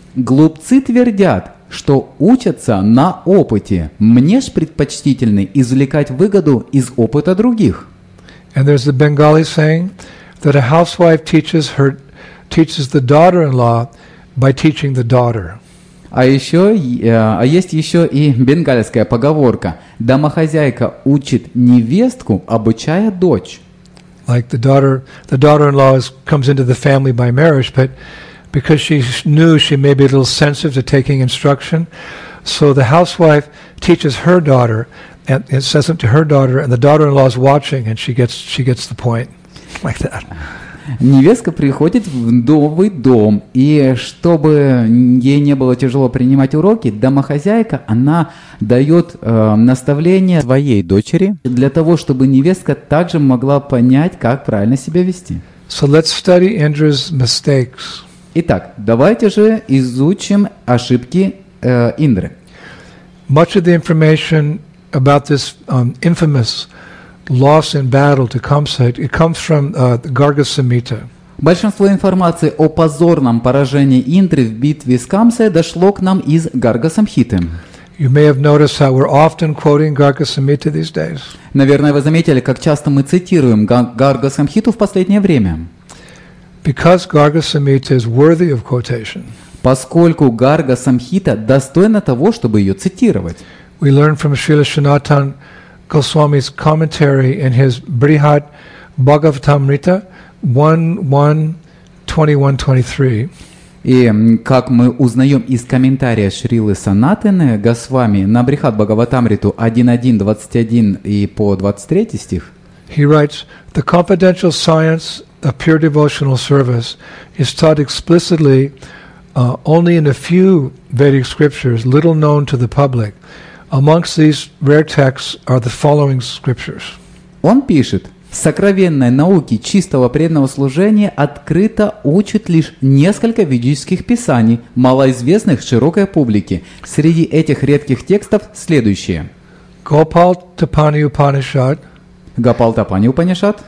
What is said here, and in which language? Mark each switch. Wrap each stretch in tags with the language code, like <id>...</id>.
<ru>Глупцы твердят, что учатся на опыте. Мне ж предпочтительны извлекать выгоду из опыта других.</ru> <en>And there's a Bengali saying that a housewife teaches her teaches the daughter-in-law by teaching the daughter.</en> <ru>А есть еще и бенгальская поговорка: домохозяйка учит невестку, обучая дочь.</ru> <en>Like the daughter-in-law comes into the family by marriage, but because she knew she may be a little sensitive to taking instruction, so the housewife teaches her daughter and it says it to her daughter, and the daughter-in-law is watching, and she gets the point like that.</en> <ru>Невестка приходит в новый дом, и чтобы ей не было тяжело принимать уроки, домохозяйка, она дает наставление своей дочери для того, чтобы невестка также могла понять, как правильно себя вести.</ru> <en>So let's study Indra's mistakes.</en> <ru>Итак, давайте же изучим ошибки Индры.</ru> <en>Much of the information about this infamous loss in battle to Kamsa, it comes from the Gargasamhita.</en> <ru>Большинство информации о позорном поражении Индры в битве с Камсой дошло к нам из Гаргасамхиты.</ru> <en>You may have noticed how we're often quoting Gargasamhita these days.</en> <ru>Наверное, вы заметили, как часто мы цитируем Гаргасамхиту в последнее время.</ru> <en>Because Gargasamhita is worthy of quotation.</en> <ru>Поскольку Гаргасамхита достойна того, чтобы ее цитировать.</ru> <en>We learn from Srila Sanatan Goswami's commentary in his Brihat Bhagavatamrita 1.1.21.23.</en> <ru>И как мы узнаем из комментария Шрилы Санатаны Госвами на Брихат Бхагаватамриту 1.1.21 и по 23 стих,</ru> <en>he writes, the confidential science of pure devotional service is taught explicitly only in a few Vedic scriptures little known to the public. Amongst these rare texts are the following scriptures.</en> <ru>Он пишет: сокровенной науке чистого преданного служения открыто учат лишь несколько ведических писаний, малоизвестных широкой публике. Среди этих редких текстов следующие: Гопалтапани Упанишад, Гопалтапани Упанишад,</ru>